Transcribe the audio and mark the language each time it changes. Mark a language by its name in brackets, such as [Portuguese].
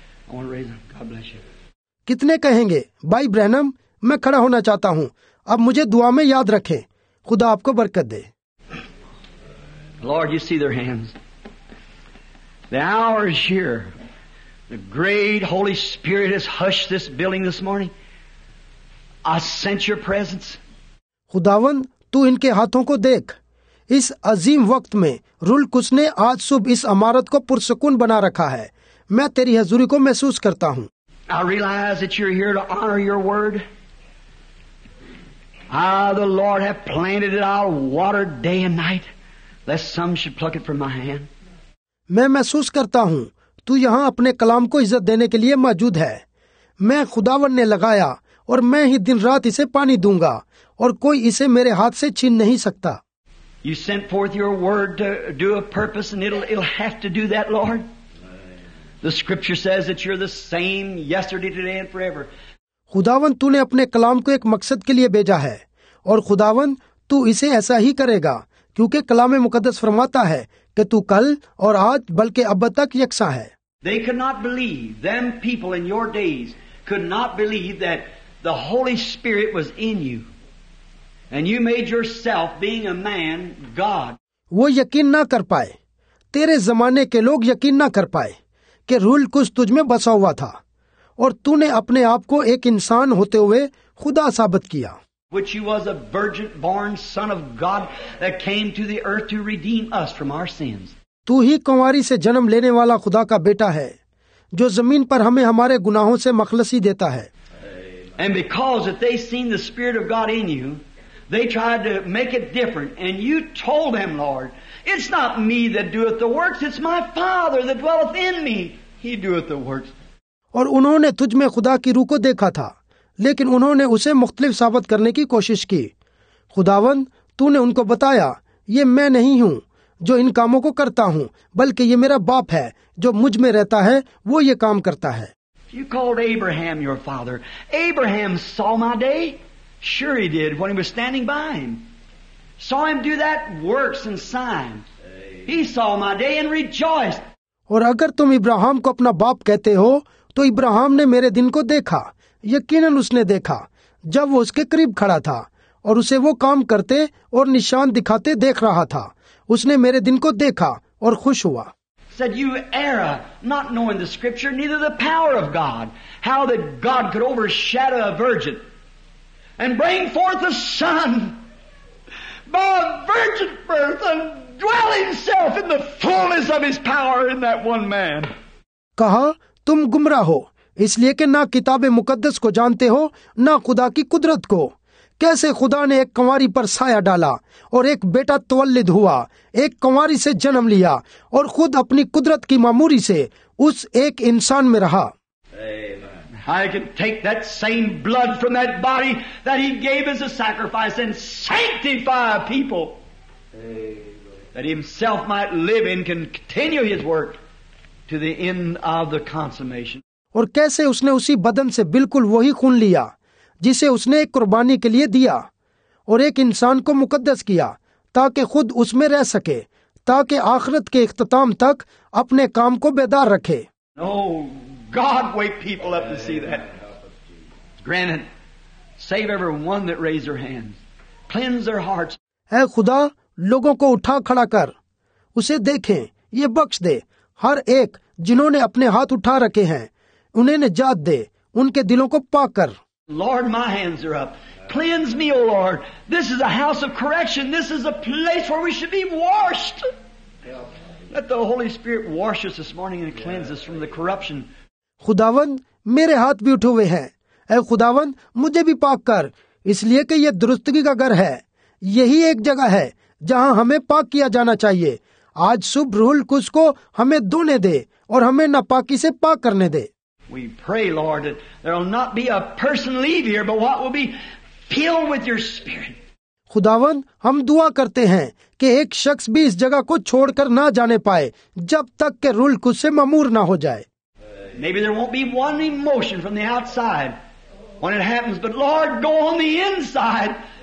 [Hindi] कितने कहेंगे, भाई ब्रैनम, मैं खड़ा होना चाहता हूँ, अब मुझे दुआ में याद रखें। खुदा आपको बरकत दे। [English] Lord, you see their hands. The hour is here. The great Holy Spirit has hushed this building this morning. I sense your presence. [Hindi] खुदावन, तू इनके हाथों को देख। इस अजीम वक्त में रुलकुस ने आज सुबह इस इमारत को पुरसकून बना रखा है। मैं तेरी हजूरी को महसूस करता हूँ। [English] I realize that you're here to honor your word. The Lord have planted it, I'll water day and night, lest some should pluck it from my hand. [Hindi] मैं महसूस करता हूँ तू यहाँ अपने कलाम को इज्जत देने के लिए मौजूद है। मैं खुदावन ने लगाया और मैं ही दिन रात इसे पानी दूंगा, और कोई इसे मेरे हाथ से छीन नहीं सकता। [English] You sent forth your word to do a purpose and it'll have to do that, Lord. The scripture says that you're the same yesterday, today and forever. [Hindi] खुदावन, तूने अपने कलाम को एक मकसद के लिए भेजा है, और खुदावन, तू इसे ऐसा ही करेगा, क्योंकि कलाम मुकद्दस फरमाता है कि तू कल और आज बल्कि अब तक यकसा है। [English] They could not believe, them people in your days could not believe that the Holy Spirit was in you and you made yourself, being a man, God. [Hindi] वो यकीन ना कर पाए, तेरे जमाने के लोग यकीन ना कर पाए कि रूल कुछ तुझ में बसा हुआ था, और तूने अपने आप को एक इंसान होते हुए खुदा साबित किया। [English] Which you was a virgin born son of God that came to the earth to redeem us from our sins. [Hindi] तू ही कुंवारी से जन्म लेने वाला खुदा का बेटा है, जो जमीन पर हमें हमारे गुनाहों से मखलसी देता है। [English] And because if they seen the Spirit of God in you, they tried to make it different. And you told them, Lord, it's not me that doeth the works, it's my Father that dwelleth in me. He doeth the works. [Hindi] और उन्होंने तुझ में खुदा की रूह को देखा था, लेकिन उन्होंने उसे मुख्तलिफ साबित करने की कोशिश की। खुदावन, तूने उनको बताया, ये मैं नहीं हूँ जो इन कामों को करता हूँ, बल्कि ये मेरा बाप है जो मुझ में रहता है, वो ये काम करता है। [English] You called Abraham your father. Abraham saw my day? Sure he did when he was standing by him. Saw him do that works and signs. He saw my day and rejoiced. [Hindi] और अगर तुम इब्राहिम को अपना बाप कहते हो, तो इब्राहिम ने मेरे दिन को देखा। यकीनन उसने देखा जब वो उसके करीब खड़ा था, और उसे वो काम करते और निशान दिखाते देख रहा था। उसने मेरे दिन को देखा और खुश हुआ। [English] Said you error, not knowing the scripture, neither the power of God, how that God could overshadow a virgin and bring forth a son by a virgin birth and dwell himself in the fullness of his power in that one man. [Hindi] कहा, तुम गुमराह हो, इसलिए कि ना किताबे मुकद्दस को जानते हो ना खुदा की कुदरत को। कैसे खुदा ने एक कुंवारी पर साया डाला और एक बेटा तवल्लिद हुआ, एक कुंवारी से जन्म लिया और खुद अपनी कुदरत की मामूरी से उस एक इंसान में रहा। [English] I can take that same blood from that body that he gave as a sacrifice and sanctify people that himself might live in, continue his work to the end of the consummation. [Hindi] और कैसे उसने उसी बदन से बिल्कुल वही खून लिया जिसे उसने एक कुर्बानी के लिए दिया और एक इंसान को मुकद्दस किया ताकि खुद उसमें रह सके, ताकि आखिरत के इख्तिताम तक अपने काम को बेदार रखे। [English] No, God wake people up to see that. Granted, save everyone that raised their hands. Cleanse their hearts. [Hindi] ऐ खुदा, लोगों को उठा खड़ा कर, उसे देखें, ये बख्श दे, हर एक जिन्होंने अपने हाथ उठा रखे हैं, उन्हें निजात दे, उनके दिलों को पाक कर। [English] Lord, my hands are up. Cleanse me, O Lord. This is a house of correction. This is a place where we should be washed. Let the Holy Spirit wash us this morning and cleanse us from the corruption. [Hindi] खुदावन, मेरे हाथ भी उठे हुए हैं। ऐ खुदावन, मुझे भी पाक कर, इसलिए कि यह दुरुस्तगी का घर है। यही एक जगह है जहां हमें पाक किया जाना चाहिए। आज सुबह रूहुल कुछ को हमें धोने दे और हमें नापाकी से पाक करने दे। [English] We pray, Lord, that there will not be a person leave here, but what will be filled with your spirit. [Hindi] खुदावन, हम दुआ करते हैं कि एक शख्स भी इस जगह को छोड़कर ना जाने पाए जब तक के रूल कुछ से ममूर ना हो जाए। [English] Maybe there won't be one emotion from the outside when it happens, but Lord, go on the inside.